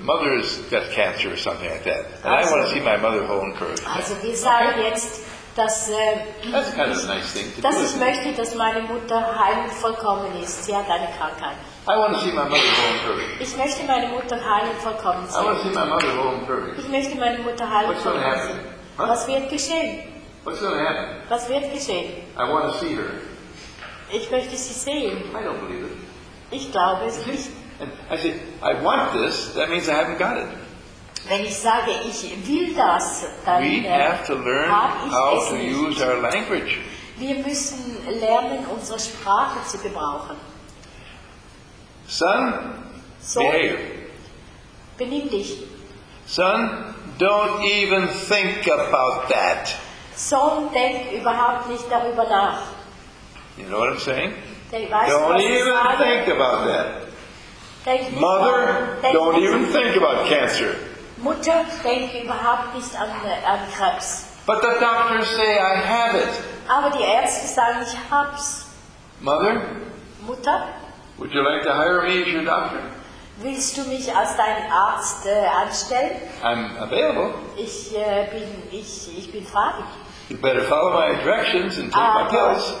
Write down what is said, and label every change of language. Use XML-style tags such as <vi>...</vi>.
<en>Mother has got cancer or something like that. And also, I want to see my mother whole and perfect.</en> <de>Also wir sagen jetzt, dass</de> <en>that's kind of a nice thing to</en> <de>dass ich möchte, dass meine Mutter heil und vollkommen ist. Sie hat eine Krankheit.</de> <en>I want to see my mother whole and perfect.</en> <de>Ich möchte meine Mutter heil und vollkommen sehen.</de> <en>I want to see my mother whole and perfect.</en> <de>Ich möchte meine Mutter heil und vollkommen sehen.</de> <en>What's going to happen? Huh?</en> <de>Was wird geschehen?</de> <en>What's going to happen?</en> <de>Was wird geschehen?</de> <en>I want to see her.</en> <de>Ich möchte sie sehen.</de> <en>I don't believe it.</en> <de>Ich glaube es nicht.</de> <en>And I say, I want this, that means I haven't got it.</en> <de>Wenn ich sage, ich will das, dann</de> <en>we have to learn how to use our language.</en> <de>Wir müssen lernen, unsere Sprache zu gebrauchen.</de> <en>Son,</en> <de>Sohn,</de> <en>behave.</en> <de>Benimm dich.</de> <en>Son, don't even think about that.</en> <de>Sohn, denk überhaupt nicht darüber nach.</de> <en>You know what I'm saying?</en> <de>Weiß,</de> <en>don't even</en> <de>sage,</de> <en>think about that. Mother, don't even think about cancer.</en> <de>Mutter, denk überhaupt nicht an Krebs.</de> <en>But the doctors say I have it.</en> <de>Aber die Ärzte sagen, ich hab's.</de> <en>Mother,</en> <de>Mutter,</de> <en>would you like to hire me as your doctor?</en> <de>Willst du mich als dein Arzt anstellen?</de> <en>I'm available.</en> <de>Ich bin frei.</de> <en>You better follow my directions and take my pills.</en>